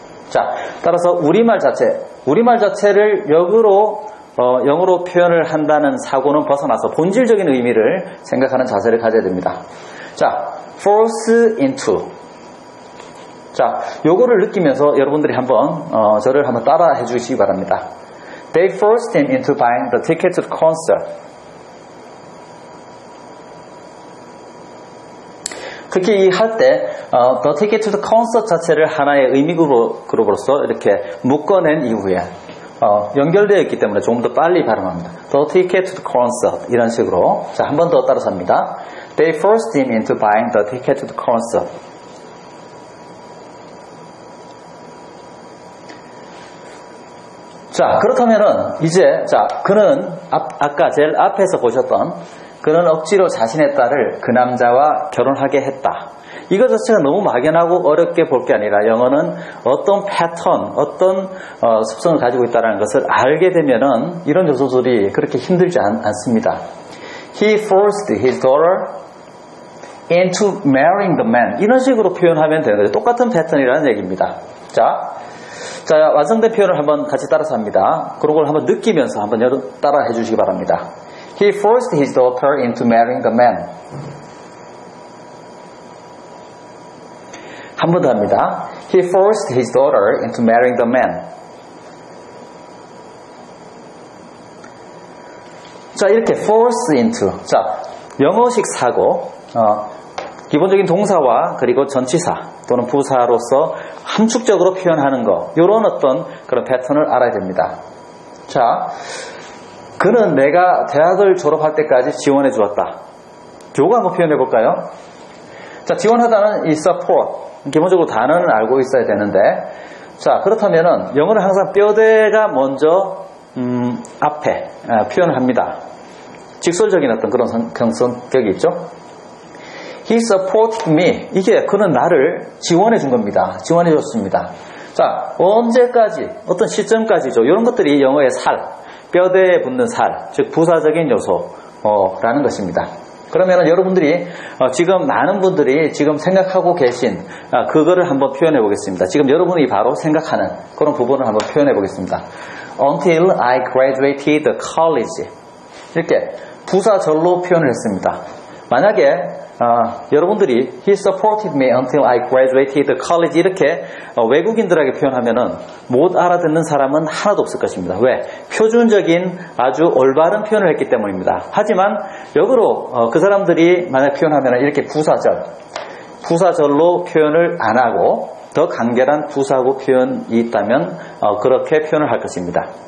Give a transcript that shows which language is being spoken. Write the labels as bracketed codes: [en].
[ko] 자, 따라서 우리말 자체를 역으로 영어로 표현을 한다는 사고는 벗어나서 본질적인 의미를 생각하는 자세를 가져야 됩니다. [en] 자, force into. [ko] 자, 요거를 느끼면서 여러분들이 한번 저를 한번 따라해 주시기 바랍니다. [en] They forced him into buying the ticket to the concert. [ko] 특히 이 할 때 [en] the ticket to the concert [ko] 자체를 하나의 의미 그룹으로서 이렇게 묶어낸 이후에 연결되어 있기 때문에 조금 더 빨리 발음합니다. [en] The ticket to the concert [ko] 이런 식으로. 자, 한 번 더 따라서 합니다. [en] They forced him into buying the ticket to the concert. [ko] 자, 그렇다면은 이제 자, 그는 아까 제일 앞에서 보셨던 그는 억지로 자신의 딸을 그 남자와 결혼하게 했다. 이거 자체가 너무 막연하고 어렵게 볼 게 아니라 영어는 어떤 패턴, 어떤 습성을 가지고 있다는 것을 알게 되면은 이런 요소들이 그렇게 힘들지 않습니다. [en] He forced his daughter into marrying the man. [ko] 이런 식으로 표현하면 되는 거죠. 똑같은 패턴이라는 얘기입니다. 자. 자, 완성된 표현을 한번 같이 따라서 합니다. 그런 걸 한번 느끼면서 한번 여러분 따라 해주시기 바랍니다. [en] He forced his daughter into marrying the man. [ko] 한 번 더 합니다. [en] He forced his daughter into marrying the man. [ko] 자, 이렇게 [en] force into. [ko] 자, 명호식 사고, 기본적인 동사와 그리고 전치사 또는 부사로서 함축적으로 표현하는 거, 이런 어떤 그런 패턴을 알아야 됩니다. 자, 그는 내가 대학을 졸업할 때까지 지원해 주었다. 요거 한번 표현해 볼까요? 자, 지원하다는 이 support, 기본적으로 단어는 알고 있어야 되는데, 자, 그렇다면은 영어는 항상 뼈대가 먼저 앞에 표현을 합니다. 직설적인 어떤 그런 성격이 있죠. [en] He supported me. [ko] 이게 그는 나를 지원해 준 겁니다. 지원해 줬습니다. 자, 언제까지, 어떤 시점까지죠. 이런 것들이 영어의 살, 뼈대에 붙는 살, 즉 부사적인 요소라는 것입니다. 그러면은 여러분들이 지금 많은 분들이 지금 생각하고 계신 그거를 한번 표현해 보겠습니다. 지금 여러분이 바로 생각하는 그런 부분을 한번 표현해 보겠습니다. [en] Until I graduated college. [ko] 이렇게 부사절로 표현을 했습니다. 만약에 여러분들이 [en] He supported me until I graduated college [ko] 이렇게 외국인들에게 표현하면은 못 알아듣는 사람은 하나도 없을 것입니다. 왜? 표준적인 아주 올바른 표현을 했기 때문입니다. 하지만 역으로 그 사람들이 만약 표현하면은 이렇게 부사절로 표현을 안 하고 더 간결한 부사고 표현이 있다면 그렇게 표현을 할 것입니다.